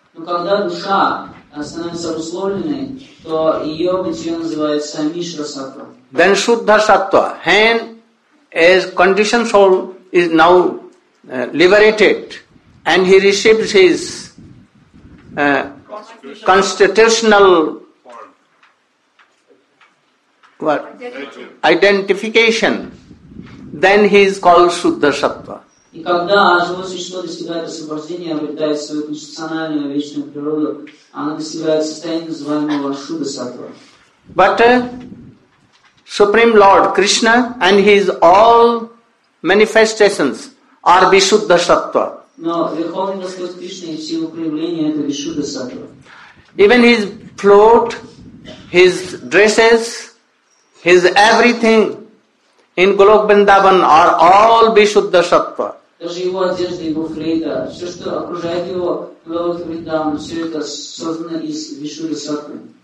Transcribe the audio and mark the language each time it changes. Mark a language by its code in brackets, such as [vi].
[ru] Но когда душа становится условленной, то ее бытие называется мишра сатва. [en] Then shuddha sattva, and as conditioned soul is now liberated, and he receives his constitutional identification, then he is called Shuddha Sattva. [ru] И когда живое существо достигает освобождения, обретает свою конституциональную вечную природу, оно достигает состояния, называемого Шуддха Сатва. [en] But Supreme Lord Krishna and his all manifestations are Vishuddha Sattva. [ru] Но Верховный Господь Кришна и все его проявления – это Вишудда Саттва. [en] Even his float, his dresses, his everything in Golok Vrindavan are all Вишудда Саттва. [ru] Даже его одежда, его флейта, все, что окружает его Голок Вриндаван, все это создано из Вишудда Саттвы.